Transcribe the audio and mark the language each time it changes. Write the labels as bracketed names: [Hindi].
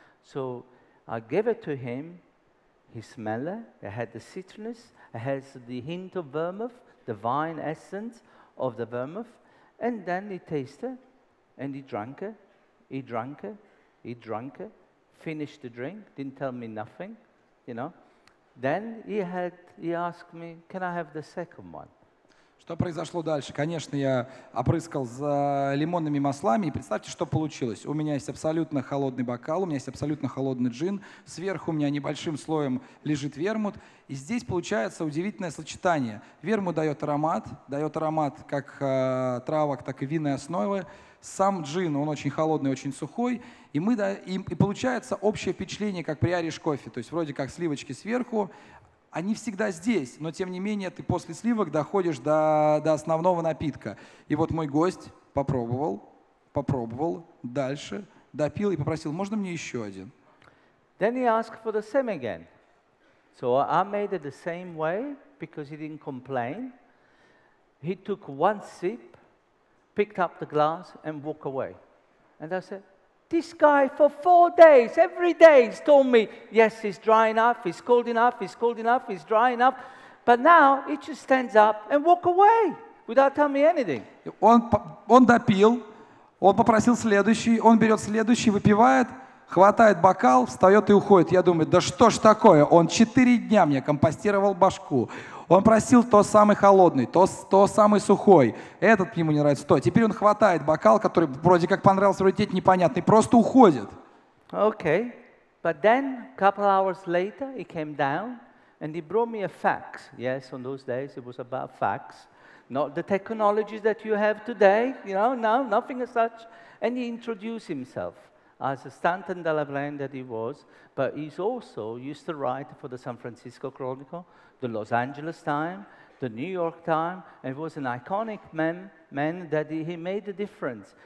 [English] So I give it to him. He smelled it, it had the citrus, it has the hint of vermouth, the vine essence of the vermouth, and then he tasted it, and he drank it, finished the drink, didn't tell me nothing, you know. Then he asked me, can I have the second one? [Russian] Что произошло дальше? Конечно, я опрыскал за лимонными маслами, и представьте, что получилось. У меня есть абсолютно холодный бокал, у меня есть абсолютно холодный джин, сверху у меня небольшим слоем лежит вермут, и здесь получается удивительное сочетание. Вермут дает аромат как травок, так и винной основы. Сам джин, он очень холодный, очень сухой, и получается общее впечатление, как при Irish coffee, то есть вроде как сливочки сверху. Они всегда здесь, но тем не менее ты после сливок доходишь до основного напитка. И вот мой гость попробовал, дальше допил и попросил, можно мне еще один? [English] Then he asked for the same again. So I made it the same way because he didn't complain. He took one sip, picked up the glass and walked away. And I said, this guy for 4 days, every day, he's told me, yes, he's dry enough, he's cold enough, he's dry enough. But now he just stands up and walks away without telling me anything. [Russian] Он допил, он попросил следующий, он берет следующий, выпивает, хватает бокал, встает и уходит. Я думаю, да что ж такое, он 4 дня мне компостировал башку. Он просил то самый холодный, то самый сухой. Этот ему не нравится. Теперь он хватает бокал, который вроде как понравился, вроде как непонятный, просто уходит. [English] Okay. But then, a couple hours later, he came down and he brought me a fax. Yes, on those days it was about fax. Not the technologies that you have today, you know, no, nothing as such. And he introduced himself as a Stanton Delaplane that he was, but he's also used to write for the San Francisco Chronicle, the Los Angeles Times, the New York Times, and he was an iconic man that he made a difference.